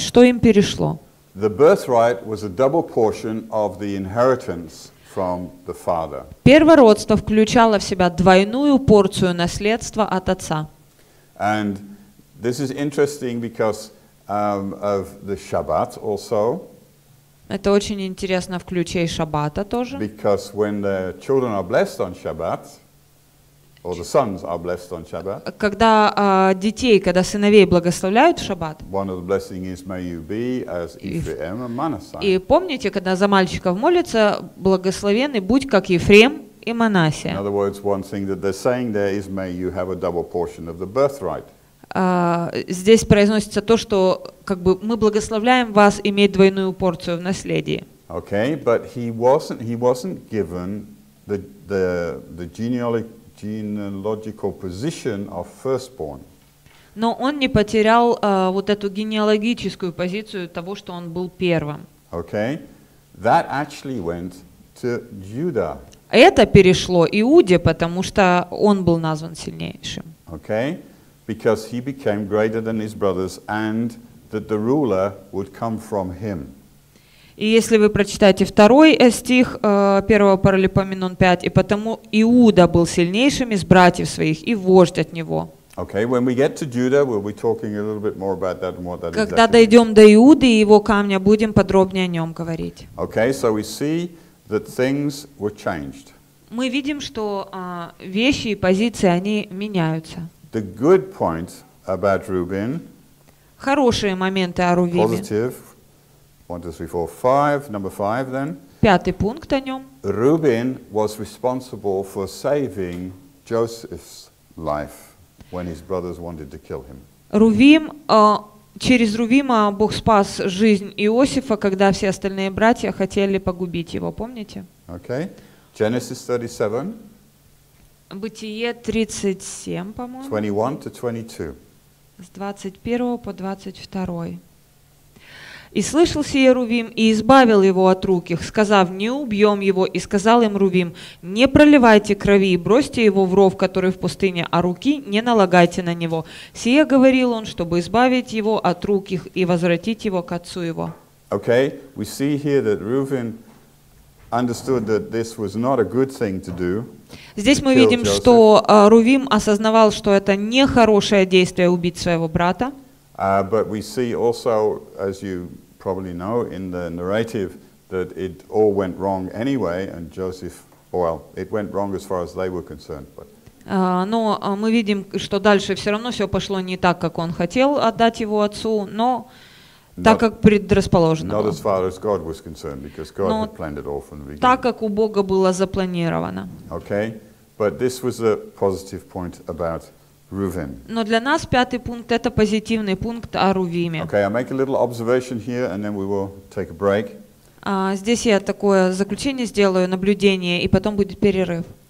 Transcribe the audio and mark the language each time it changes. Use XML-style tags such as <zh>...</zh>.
<ru>Что им перешло?</ru> <en>The birthright was a double portion of the inheritance from the father.</en> <ru>Первородство включало в себя двойную порцию наследства от отца.</ru> <en>And this is interesting because of the Shabbat also.</en> <ru>Это очень интересно в ключе Шаббата тоже.</ru> <en>Because when the children are blessed on Shabbat, or the sons are blessed on Shabbat.</en> <ru>Когда детей, когда сыновей благословляют в Шаббат.</ru> <en>One of the blessings is may you be as Ephraim and Manasseh.</en> <ru>И помните, когда за мальчиков молятся, благословенный будь как Ефрем и Манасия.</ru> <en>In other words, one thing that they're saying there is may you have a double portion of the birthright.</en> <ru>Здесь произносится то, что как бы мы благословляем вас иметь двойную порцию в наследии.</ru> <en>Okay, but he wasn't given the genealogical position of firstborn.</en> <ru>Но он не потерял вот эту генеалогическую позицию того, что он был первым.</ru> <en>Okay, that actually went to Judah.</en> <ru>Это перешло Иуде, потому что он был назван сильнейшим.</ru> <en>Okay. Because he became greater than his brothers, and that the ruler would come from him.</en> <ru>И если вы прочитаете второй стих первого Паралипоменон 5, и потому Иуда был сильнейшим из братьев своих и вождь от него.</ru> <en>Okay, when we get to Judah, we'll be talking a little bit more about that and what that is.</en> <ru>Когда дойдем до Иуды и его камня, будем подробнее о нем говорить.</ru> <en>Okay, so we see that things were changed.</en> <ru>Мы видим, что вещи и позиции они меняются.</ru> <en>The good point about Reuben.</en> <ru>Хорошие моменты о Рувиме.</ru> <en>Positive. 1, 2, 3, 4, 5. Number 5 then.</en> <ru>Пятый пункт о нем.</ru> <en>Reuben was responsible for saving Joseph's life when his brothers wanted to kill him.</en> <ru>Рувим, через Рувима Бог спас жизнь Иосифа, когда все остальные братья хотели погубить его. Помните?</ru> <en>Okay. Genesis 37.</en> <ru>Бытие 37, по-моему.</ru> <en>21 to 22.</en> <ru>С 21 по 22. «И слышал сие Рувим, и избавил его от рук их, сказав, не убьем его, и сказал им Рувим, не проливайте крови, и бросьте его в ров, который в пустыне, а руки не налагайте на него. Сие говорил он, чтобы избавить его от рук их и возвратить его к отцу его».</ru> <en>Okay, we see here that Reuben understood that this was not a good thing to do.</en> <ru>Здесь мы видим, что Рувим осознавал, что это нехорошее действие убить своего брата.</ru> <en>But we see also, as you probably know, in the narrative, that it all went wrong anyway, and Joseph, well, it went wrong as far as they were concerned. But.</en> <ru>Но мы видим, что дальше все равно все пошло не так, как он хотел отдать его отцу, но так, как предрасположено.</ru> <en>Not as far as God was concerned, because God had planned it all from the beginning.</en> <ru>Так, как у Бога было запланировано.</ru> <en>Okay, but this was a positive point about Reuven.</en> <ru>Но для нас пятый пункт — это позитивный пункт о Рувиме.</ru> <en>Okay, I make a little observation here, and then we will take a break.</en> <ru>Здесь я такое заключение сделаю, наблюдение, и потом будет перерыв.</ru>